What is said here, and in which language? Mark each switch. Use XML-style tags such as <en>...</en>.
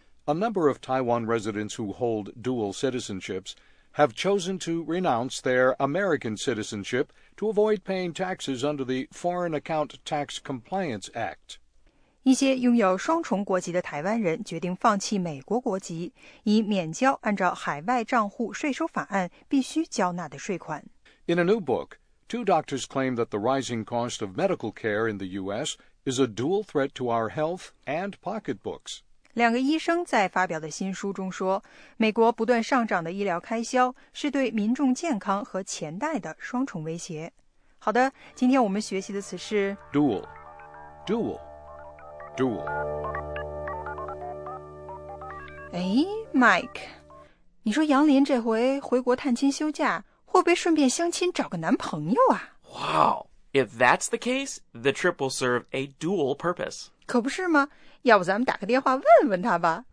<en>A number of Taiwan residents who hold dual citizenships have chosen to renounce their American citizenship to avoid paying taxes under the Foreign Account Tax Compliance Act.</en> <zh>一些拥有双重国籍的台湾人决定放弃美国国籍，以免交按照海外账户税收法案必须交纳的税款。</zh> <en>In a new book, two doctors claim that the rising cost of medical care in the U.S. is a dual threat to our health and pocketbooks.</en> <zh>两个医生在发表的新书中说，美国不断上涨的医疗开销是对民众健康和钱袋的双重威胁。好的，今天我们学习的词是</zh> <en>dual, dual, dual.</en> <zh>哎 ，Mike， 你说杨林这回回国探亲休假。会不会顺便相亲找个男朋友啊</zh> <en>？Wow! If that's the case, the trip will serve a dual purpose.</en> <zh>可不是吗？要不咱们打个电话问问他吧。</zh>